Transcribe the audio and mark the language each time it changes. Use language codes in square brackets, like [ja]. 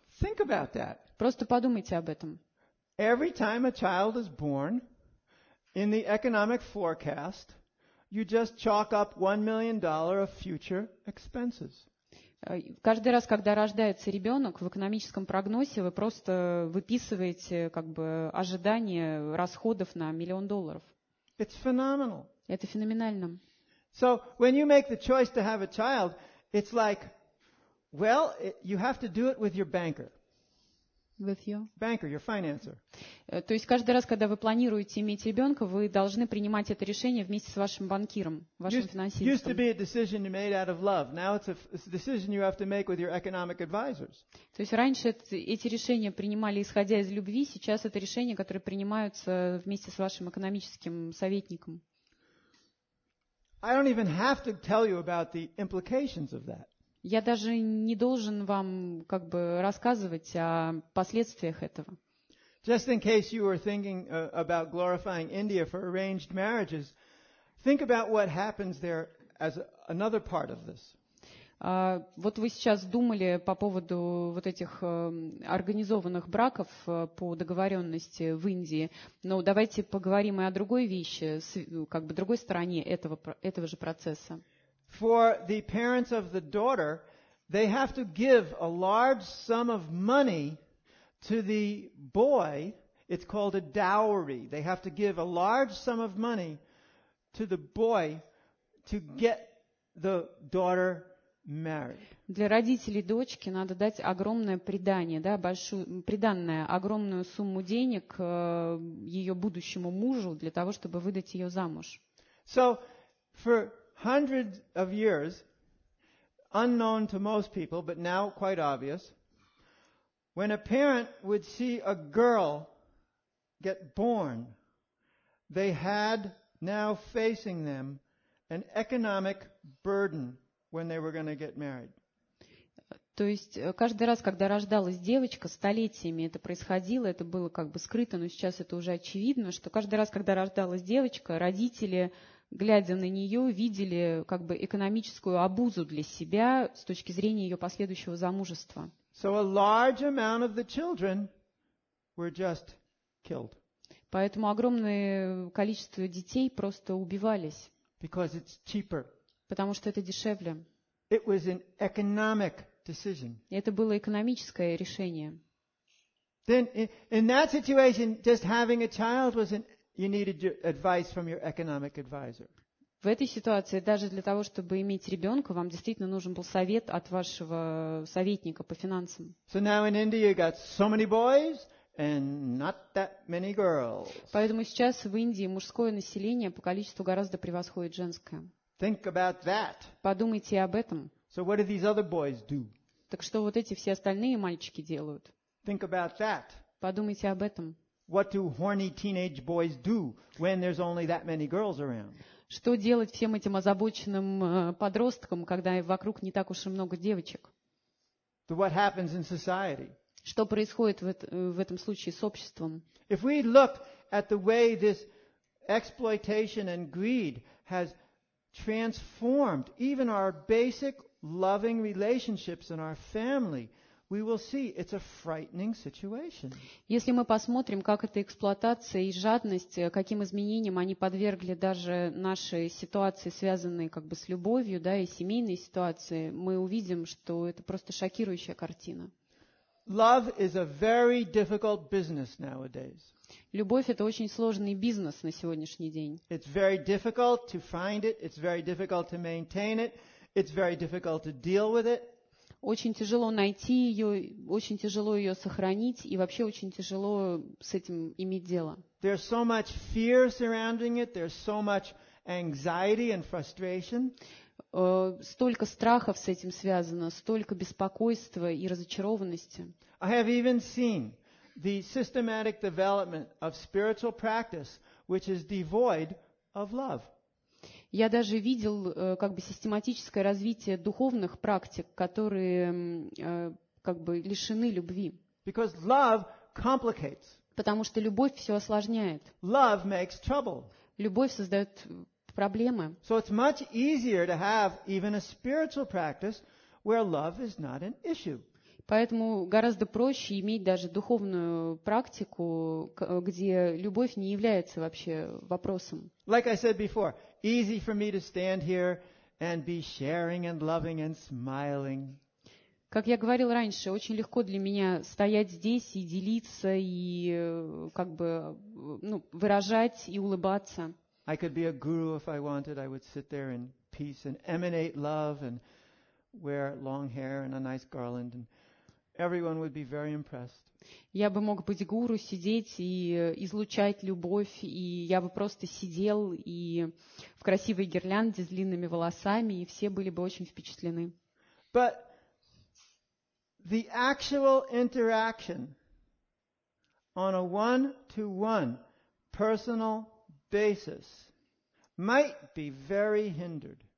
[en] Think about that. [ru] Просто подумайте об этом. [en] Every time a child is born, in the economic forecast, you just chalk up $1 million of future expenses. [ru] Каждый раз, когда рождается ребенок, в экономическом прогнозе вы просто выписываете как бы ожидания расходов на $1 million. [en] It's phenomenal. [ru] Это феноменально. [en] So when you make the choice to have a child, it's like, well, you have to do it with your banker. With you. Banker, your financer. [ru] То есть каждый раз, когда вы планируете иметь ребенка, вы должны принимать это решение вместе с вашим банкиром, вашим финансистом. [en] Used to be a decision you made out of love. Now it's a decision you have to make with your economic advisors. [ru] То есть раньше эти решения принимали исходя из любви, сейчас это решения, которые принимаются вместе с вашим экономическим советником. [en] I don't even have to tell you about the implications of that. [ru] Я даже не должен вам как бы рассказывать о последствиях этого. [en] Just in case you were thinking about glorifying India for arranged marriages, think about what happens there as another part of this. [ru] Вот вы сейчас думали по поводу вот этих организованных браков по договоренности в Индии, но давайте поговорим и о другой вещи, как бы другой стороне этого же процесса. [en] For the parents of the daughter, they have to give a large sum of money to the boy It's called a dowry. They have to give a large sum of money to the boy to get the daughter married. [ru] Для родителей дочки надо дать огромное приданое, да, большую приданное, огромную сумму денег ее будущему мужу для того, чтобы выдать ее замуж. [en] So, for hundreds of years, unknown to most people, but now quite obvious, when a parent would see a girl get born, they had now facing them an economic burden when they were going to get married. [ru] То есть каждый раз, когда рождалась девочка, столетиями это происходило, это было как бы скрыто, но сейчас это уже очевидно, что каждый раз, когда рождалась девочка, родители, глядя на нее, видели как бы экономическую обузу для себя с точки зрения ее последующего замужества. [en] So a large amount of the children were just killed. [ru] Поэтому огромное количество детей просто убивались. [en] Because it's cheaper. [ru] Потому что это дешевле. [en] It was an economic decision. [ru] Это было экономическое решение. [en] Then in that situation, just having a child was an you needed your advice from your economic advisor. [ru] В этой ситуации даже для того, чтобы иметь ребенка, вам действительно нужен был совет от вашего советника по финансам. [en] So now in India you got so many boys and not that many girls. [ru] Поэтому сейчас в Индии мужское население по количеству гораздо превосходит женское. [en] Think about that. [ru] Подумайте об этом. [en] So what do these other boys do? [ru] Так что вот эти все остальные мальчики делают? [en] Think about that. [ru] Подумайте об этом. [en] What do horny teenage boys do when there's only that many girls around? [ru] Что делать всем этим озабоченным подросткам, когда вокруг не так уж и много девочек? [en] What happens in society? [ru] Что происходит в этом случае с обществом? [en] If we look at the way this exploitation and greed has transformed even our basic loving relationships in our family, we will see it's a frightening situation. [ru] Если мы посмотрим, как эта эксплуатация и жадность, каким изменениям они подвергли даже наши ситуации, связанные как бы с любовью, да, и семейные ситуации, мы увидим, что это просто шокирующая картина. [en] Love is a very difficult business nowadays. [ru] Любовь – это очень сложный бизнес на сегодняшний день. [en] It's very difficult to find it. It's very difficult to maintain it. It's very difficult to deal with it. [ru] Очень тяжело найти ее, очень тяжело ее сохранить и вообще очень тяжело с этим иметь дело. [en] There's so much fear surrounding it. There's so much anxiety and frustration. [ru] Столько страхов с этим связано, столько беспокойства и разочарованности. [en] I have even seen the systematic development of spiritual practice, which is devoid of love. [ru] Я даже видел как бы систематическое развитие духовных практик, которые как бы лишены любви. [en] Because love complicates. [ru] Потому что любовь все осложняет. [en] Love makes trouble. [ru] Любовь создает проблемы. [en] So it's much easier to have even a spiritual practice where love is not an issue. [ru] Поэтому гораздо проще иметь даже духовную практику, где любовь не является вообще вопросом. [en] Like I said before, easy for me to stand here and be sharing and loving and smiling. [ru] Как я говорил раньше, очень легко для меня стоять здесь и делиться и как бы, ну, выражать и улыбаться. [en] I could be a guru if I wanted. I would sit there in peace and emanate love and wear long hair and a nice garland and everyone would be very impressed. [ru] Я бы мог быть гуру, сидеть и излучать любовь, и я бы просто сидел и в красивой гирлянде с длинными волосами, и все были бы очень впечатлены. [en] But the actual interaction on a one-to-one personal basis might be very hindered.